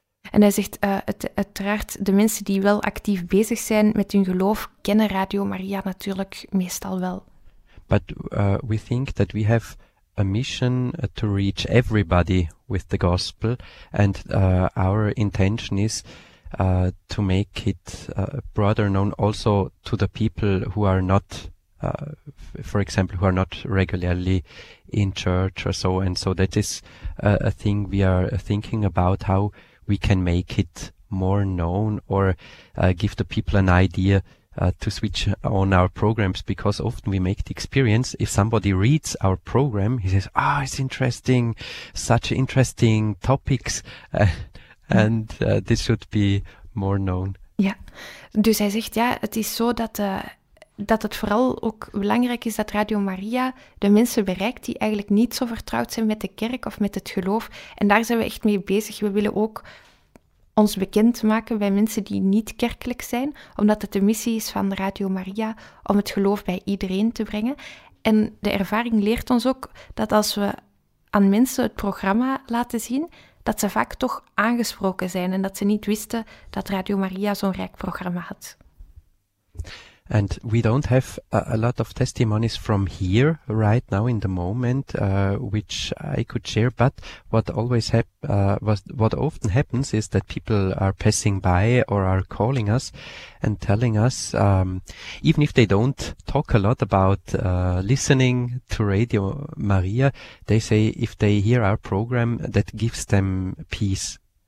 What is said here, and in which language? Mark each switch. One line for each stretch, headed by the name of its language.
Dutch: En hij zegt, uiteraard, de mensen die wel actief bezig zijn met hun geloof, kennen Radio Maria natuurlijk meestal wel.
English: But we think that we have a mission to reach everybody with the gospel, and our intention is to make it broader known also to the people who are not, for example, who are not regularly in church or so. And so that is a thing we are thinking about, how we can make it more known or give the people an idea to switch on our programs, because often we make the experience, if somebody reads our program, he says, it's interesting, such interesting topics, and this should be more known.
Dutch: Ja, dus hij zegt, het is zo dat het vooral ook belangrijk is dat Radio Maria de mensen bereikt die eigenlijk niet zo vertrouwd zijn met de kerk of met het geloof, en daar zijn we echt mee bezig. We willen ook ons bekend maken bij mensen die niet kerkelijk zijn, omdat het de missie is van Radio Maria om het geloof bij iedereen te brengen. En de ervaring leert ons ook dat als we aan mensen het programma laten zien, dat ze vaak toch aangesproken zijn en dat ze niet wisten dat Radio Maria zo'n rijk programma had.
English: And we don't have a lot of testimonies from here right now in the moment, which I could share. But what often happens is that people are passing by or are calling us and telling us, even if they don't talk a lot about listening to Radio Maria, they say if they hear our program, that gives them peace.